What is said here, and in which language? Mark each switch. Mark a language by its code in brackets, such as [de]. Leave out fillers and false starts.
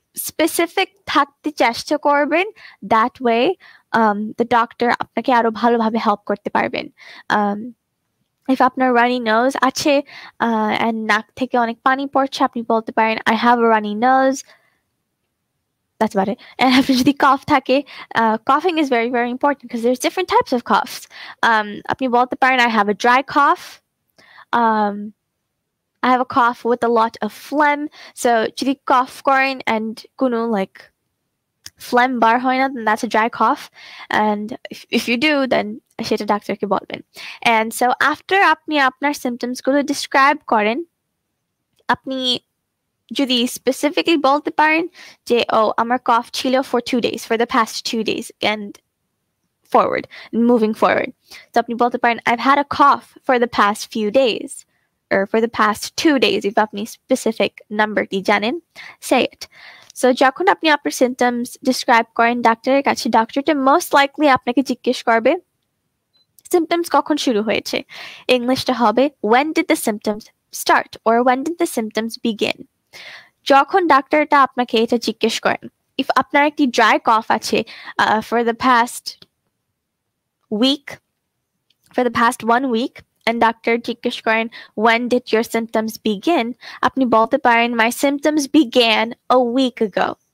[bn] Specific থাকতে চেষ্টা করবেন, [en] that way the doctor [bn] আপনাকে আরো ভালোভাবে help করতে পারবেন। If আপনার runny nose আছে and নাক থেকে অনেক পানি পড়ছে, আপনি বলতে পারেন [en] I have a runny nose. That's about it. And [bn] আপনি যদি [en] cough থাকে, coughing is very, very important because there's different types of coughs. [bn] আপনি বলতে পারেন [en] I have a dry cough. I have a cough with a lot of phlegm. So jodi cough korin and kono like phlegm bar hoy na, then that's a dry cough, and if you do, then [bn] sheta doctor ke bolben. [en] And so after apni apnar symptoms gulo describe korin, [bn] apni jodi specifically bolte paren je oh amar cough chilo [en] for 2 days, for the past 2 days and forward, moving forward, so [bn] apni bolte paren [en] I've had a cough for the past few days, or for the past 2 days, if apni specific number di janin, say it. [bn] So যখন আপনি আপনার symptoms describe করেন ডাক্তারের কাছে, ডাক্তারটা most likely আপনাকে জিজ্ঞেস করবে সিমটমস কখন শুরু হয়েছে। ইংলিশটা হবে [en] When did the symptoms start or when did the symptoms begin. [bn] যখন ডাক্তারটা আপনাকে এটা জিজ্ঞেস করেন, [en] if আপনার একটি dry cough আছে for the past week, for the past one week, and doctor জিজ্ঞেস করেন when did your symptoms begin, [bn] আপনি বলতে পারেন [en] My symptoms began a week ago.